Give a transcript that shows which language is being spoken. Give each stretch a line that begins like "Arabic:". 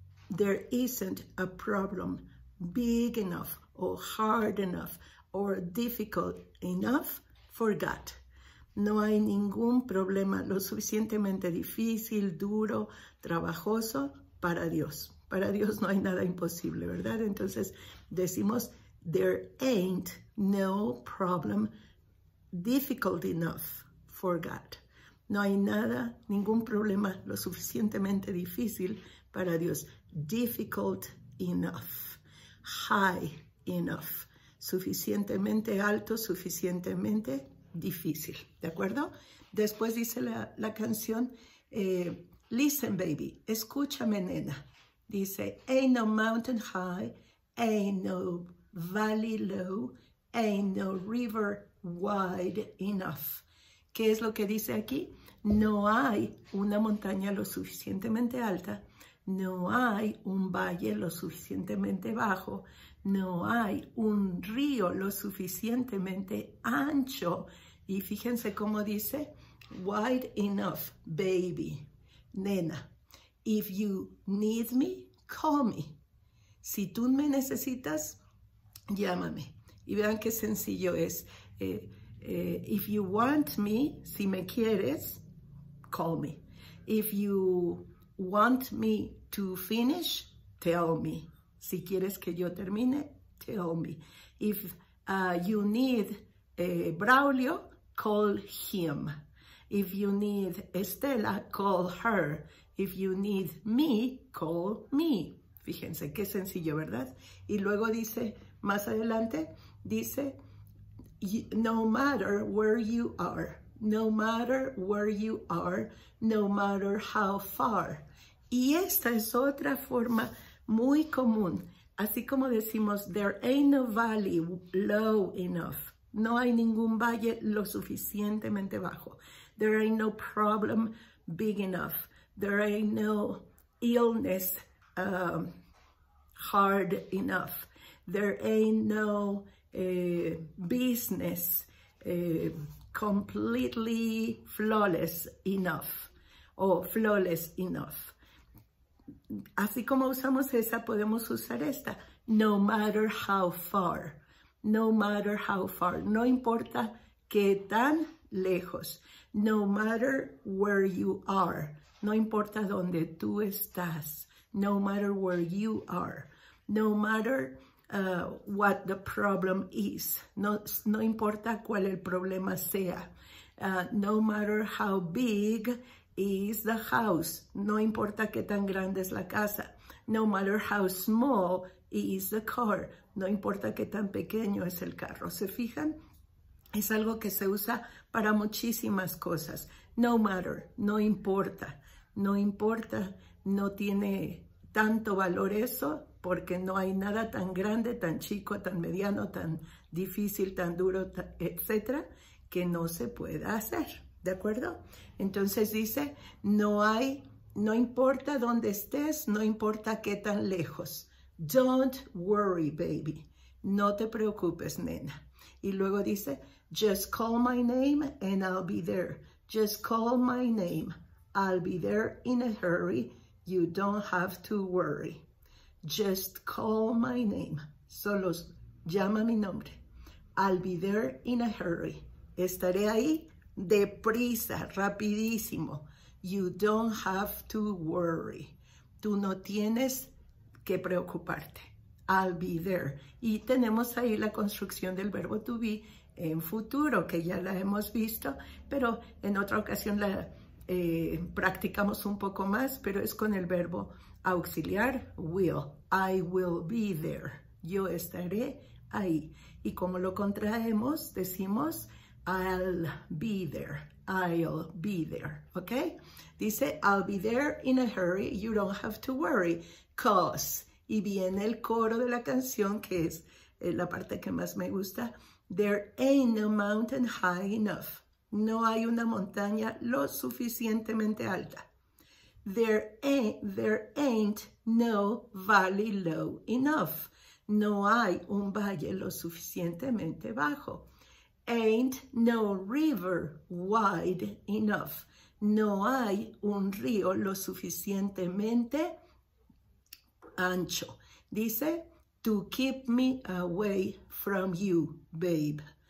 English: There isn't a problem big enough or hard enough or difficult enough for God.
Spanish: No hay ningún problema lo suficientemente difícil, duro, trabajoso para Dios. Para Dios no hay nada imposible, ¿verdad? Entonces decimos,
English: there ain't no problem difficult enough for God.
Spanish: No hay nada, ningún problema lo suficientemente difícil para Dios.
English: Difficult enough, high enough,
Spanish: suficientemente alto, suficientemente difícil. ¿De acuerdo? Después dice la canción,
English: listen baby,
Spanish: escúchame nena. Dice,
English: ain't no mountain high, ain't no valley low, ain't no river wide enough.
Spanish: ¿Qué es lo que dice aquí? No hay una montaña lo suficientemente alta, no hay un valle lo suficientemente bajo, no hay un río lo suficientemente ancho. Y fíjense cómo dice,
English: wide enough, baby,
Spanish: nena.
English: If you need me, call me.
Spanish: Si tú me necesitas, llámame. Y vean qué sencillo es.
English: If you want me,
Spanish: si me quieres,
English: call me. If you want me to finish, tell me.
Spanish: Si quieres que yo termine,
English: tell me. If you need Braulio, call him. If you need Estela, call her. If you need me, call me.
Spanish: Fíjense qué sencillo, ¿verdad? Y luego dice, más adelante, dice,
English: no matter where you are, no matter where you are, no matter how far.
Spanish: Y esta es otra forma muy común. Así como decimos,
English: there ain't no valley low enough,
Spanish: No hay ningún valle lo suficientemente bajo.
English: There ain't no problem big enough. There ain't no illness hard enough. There ain't no business completely flawless enough.
Spanish: O
English: flawless enough.
Spanish: Así como usamos esa, podemos usar esta.
English: No matter how far. No matter how far.
Spanish: No importa qué tan lejos.
English: No matter where you are.
Spanish: No importa dónde tú estás.
English: No matter where you are. No matter what the problem is.
Spanish: No importa cuál el problema sea.
English: No matter how big is the house.
Spanish: No importa qué tan grande es la casa.
English: No matter how small is the car.
Spanish: No importa qué tan pequeño es el carro. ¿Se fijan? Es algo que se usa para muchísimas cosas.
English: No matter,
Spanish: no importa. No importa, no tiene tanto valor eso, porque no hay nada tan grande, tan chico, tan mediano, tan difícil, tan duro, etcétera, que no se pueda hacer. ¿De acuerdo? Entonces dice, no hay, no importa dónde estés, no importa qué tan lejos.
English: Don't worry, baby.
Spanish: No te preocupes, nena. Y luego dice,
English: just call my name and I'll be there. Just call my name. I'll be there in a hurry. You don't have to worry. Just call my name.
Spanish: Solo llama mi nombre.
English: I'll be there in a hurry.
Spanish: Estaré ahí deprisa, rapidísimo.
English: You don't have to worry.
Spanish: Tú no tienes que preocuparte.
English: I'll be there.
Spanish: Y tenemos ahí la construcción del verbo to be en futuro, que ya la hemos visto, pero en otra ocasión la practicamos un poco más, pero es con el verbo auxiliar, will.
English: I will be there.
Spanish: Yo estaré ahí. Y como lo contraemos, decimos,
English: I'll be there. I'll be there. ¿Ok?
Spanish: Dice,
English: I'll be there in a hurry. You don't have to worry. Cause.
Spanish: Y viene el coro de la canción, que es la parte que más me gusta.
English: There ain't no mountain high enough.
Spanish: No hay una montaña lo suficientemente alta.
English: There ain't no valley low enough.
Spanish: No hay un valle lo suficientemente bajo.
English: Ain't no river wide enough.
Spanish: No hay un río lo suficientemente ancho. Dice,
English: to keep me away from you, babe.